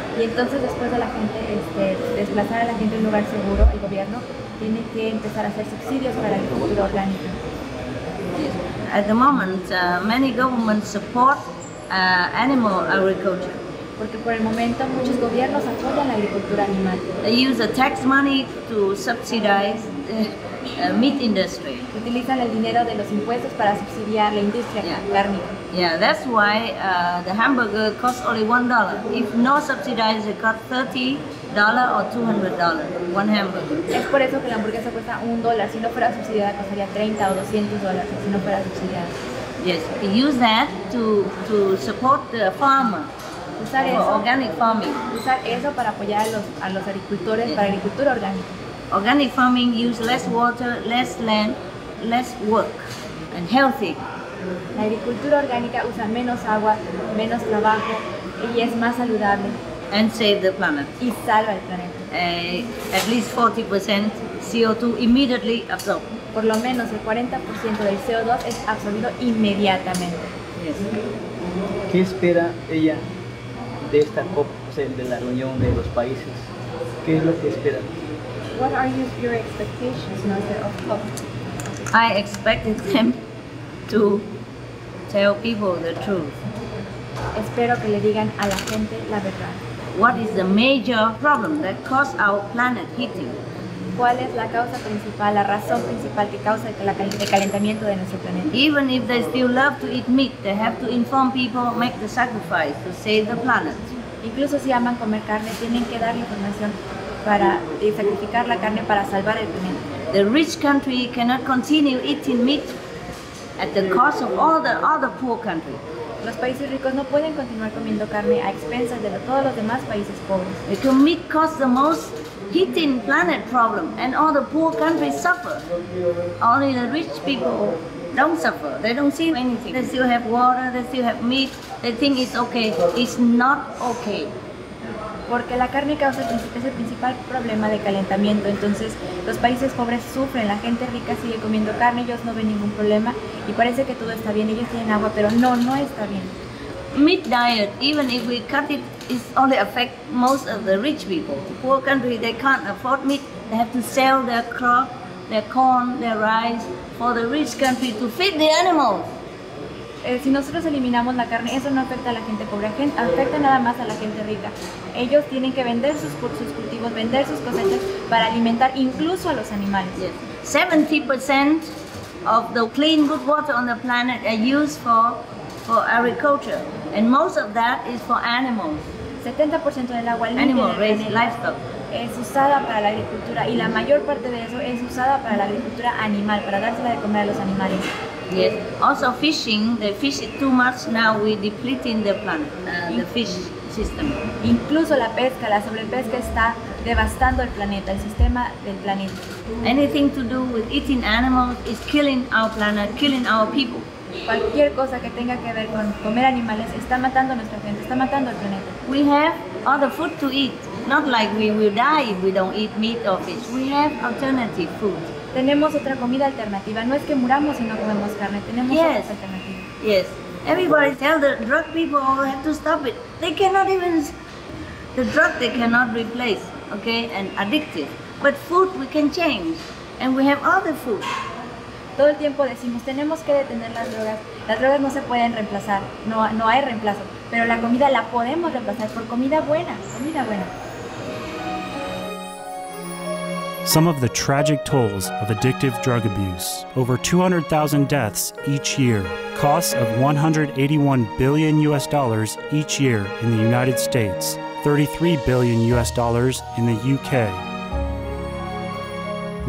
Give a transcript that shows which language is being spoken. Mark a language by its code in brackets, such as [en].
[es] Y entonces después de la gente desplazar a la gente a un lugar seguro, el gobierno tiene que empezar a hacer subsidios para la agricultura orgánica. [en] At the moment, many governments support animal agriculture. [es] Porque por el momento muchos gobiernos apoyan la agricultura animal. [en] They use the tax money to subsidize meat industry. [es] Utilizan el dinero de los impuestos para subsidiar la industria cárnica. [en] Yeah, that's why the hamburger costs only $1. If no subsidies, it costs $30 or $200. One hamburger. [es] Es por eso que la hamburguesa cuesta $1. Si no fuera subsidiada, costaría $30 or $200. Si no fuera subsidiada. [en] Yes, we use that to support the farmer. [es] Usar eso. [en] Organic farming. [es] Usar eso para apoyar a los agricultores, yeah, para agricultura orgánica. [en] Organic farming use less water, less land, less work, and healthy. [es] La agricultura orgánica usa menos agua, menos trabajo y es más saludable. [en] And save the planet. [es] Y salva el planeta. [en] At least 40% CO2 immediately absorbed. [es] Por lo menos el 40% del CO2 es absorbido inmediatamente. [en] Yes. [es] ¿Qué espera ella de esta COP, o sea, de la reunión de los países? ¿Qué es lo que espera? [en] What are your expectations of COP? I expected them to tell people the truth. [es] Espero que le digan a la gente la verdad. [en] What is the major problem that caused our planet heating? [es] ¿Cuál es la causa principal, la razón principal que causa el calentamiento de nuestro planeta? [en] Even if they still love to eat meat, they have to inform people, make the sacrifice to save the planet. [es] Incluso si aman comer carne, tienen que dar información para sacrificar la carne para salvar el planeta. [en] The rich country cannot continue eating meat at the cost of all the other poor countries. [es] Los países ricos no pueden continuar comiendo carne a expensas de todos los demás países pobres. [en] Because meat costs the most heating planet problem, and all the poor countries suffer. Only the rich people don't suffer. They don't see anything. They still have water, they still have meat. They think it's okay. It's not okay. [es] Porque la carne causa es el principal problema de calentamiento. Entonces, los países pobres sufren, la gente rica sigue comiendo carne, ellos no ven ningún problema y parece que todo está bien. Ellos tienen agua, pero no está bien. [en] Meat diet, even if we cut it, it only affect most of the rich people. Poor country, they can't afford meat. They have to sell their crop, their corn, their rice for the rich country to feed the animals. [es] Si nosotros eliminamos la carne, eso no afecta a la gente pobre, afecta nada más a la gente rica. Ellos tienen que vender sus cultivos, vender sus cosechas para alimentar incluso a los animales. [en] Yes. 70% of the clean, good water on the planet are used for agriculture, and most of that is for animals. [es] 70% del agua limpia [en] animal raising, livestock. [es] Es usada para la agricultura y la mayor parte de eso es usada para la agricultura animal, para dársela de comer a los animales. [en] Yes. Also fishing, they fish it too much, now we're depleting the planet, the fish system. [es] Incluso la pesca, la sobrepesca está devastando el planeta, el sistema del planeta. [en] Anything to do with eating animals is killing our planet, killing our people. [es] Cualquier cosa que tenga que ver con comer animales está matando a nuestra gente, está matando al planeta. [en] We have other food to eat, not like we will die if we don't eat meat or fish. We have alternative food. [es] Tenemos otra comida alternativa, no es que muramos si no comemos carne, tenemos otra alternativa. [en] Yes, everybody tell the drug people they have to stop it. They cannot even, the drug they cannot replace, okay, and addictive. But food we can change, and we have other food. [es] Todo el tiempo decimos, tenemos que detener las drogas no se pueden reemplazar, no hay reemplazo, pero la comida la podemos reemplazar por comida buena, comida buena. [en] some of the tragic tolls of addictive drug abuse. Over 200,000 deaths each year. Costs of $181 billion each year in the United States. $33 billion in the UK.